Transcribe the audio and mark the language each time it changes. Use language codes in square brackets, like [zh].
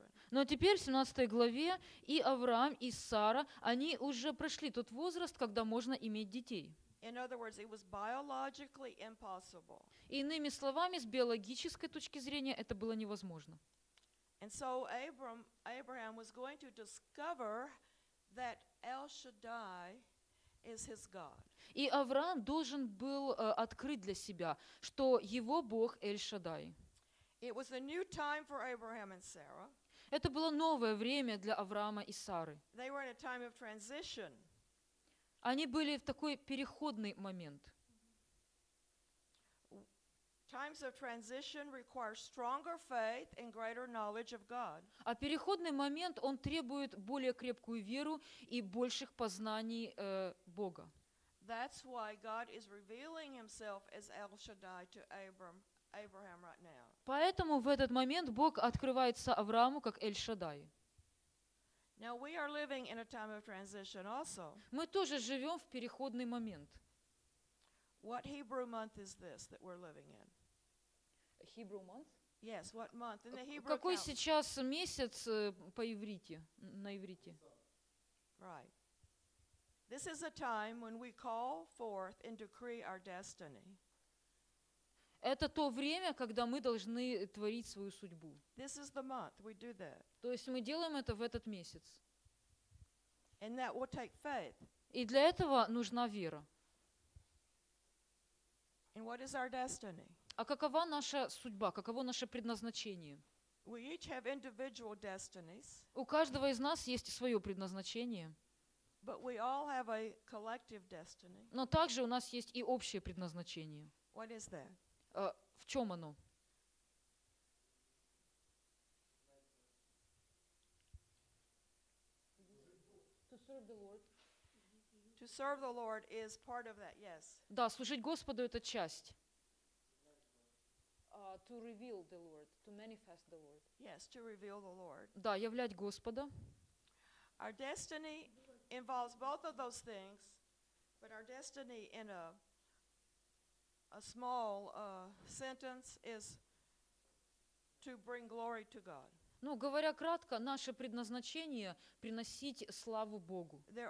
[ru] Но теперь в 17 главе и Авраам, и Сара, они уже прошли тот возраст, когда можно иметь детей. [en] In other words, it was biologically impossible. [ru] Иными словами, с биологической точки зрения это было невозможно. [en] And so Abraham was going to discover that El Shaddai is his God. [ru] И Авраам должен был открыть для себя, что его Бог Эль-Шадай. [en] It was a new time for Abraham and Sarah. [ru] Это было новое время для Авраама и Сары. [en] They were in a time of transition. [ru] Они были в такой переходный момент. [en] Times of transition require stronger faith and greater knowledge of God. [ru] А переходный момент, он требует более крепкую веру и больших познаний Бога. [en] That's why God is revealing himself as El Shaddai to Abraham right now. [ru] Поэтому в этот момент Бог открывается Аврааму как Эль-Шадай. [en] Now we are living in a time of transition also. [ru] Мы тоже живем в переходный момент. [en] What Hebrew month is this that we're living in? Hebrew month? Yes, what month? In the Hebrew [ru] Какой account? Сейчас месяц по иврите, на иврите? [en] This is a time when we call forth and decree our destiny. [ru] Это то время, когда мы должны творить свою судьбу. [en] This is the month we do that. [ru] То есть мы делаем это в этот месяц. [en] And that will take faith. [ru] И для этого нужна вера. [en] And what is our destiny? [ru] А какова наша судьба? Каково наше предназначение? [en] We each have individual destinies. [ru] У каждого из нас есть свое предназначение. [en] But we all have a collective destiny. [ru] Но также у нас есть и общее предназначение. [en] What is that? [ru] В чем оно? [en] To serve the Lord is part of that, yes. [ru] Да, служить Господу – это часть. [en] To reveal the Lord, to manifest the Lord. Yes, to reveal the Lord. [ru] Да, являть Господа. [en] Our destiny involves both of those things, but our destiny in a small sentence is to bring glory to God. [ru] Ну, говоря кратко, наше предназначение – приносить славу Богу.